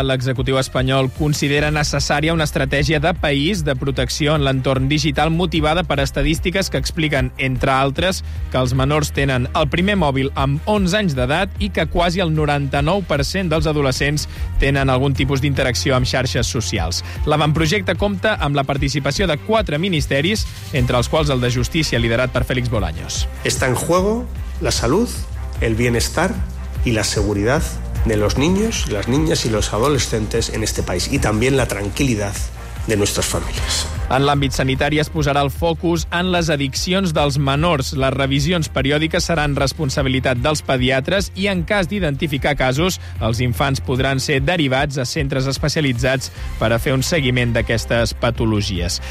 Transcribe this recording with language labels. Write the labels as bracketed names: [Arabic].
[Catalan] L'executiu espanyol considera necessària una estratègia de país de protecció en l'entorn digital motivada per estadístiques que expliquen, entre altres, que els menors tenen el primer mòbil amb 11 anys d'edat i que quasi el 99% dels adolescents tenen algun tipus d'interacció amb xarxes socials. L'avantprojecte compta amb la participació de 4 ministeris, entre els quals el de Justícia, liderat per Félix Bolaños. [Spanish] Está en juego la salud, el bienestar y la seguridad de los niños, las niñas y los adolescentes en este país y también la tranquilidad de nuestras familias. [Catalan] En l'àmbit sanitari es posarà el focus en les addiccions dels menors. Les revisions periòdiques seran responsabilitat dels pediatres i en cas d'identificar casos, els infants podran ser derivats a centres especialitzats per a fer un seguiment d'aquestes patologies.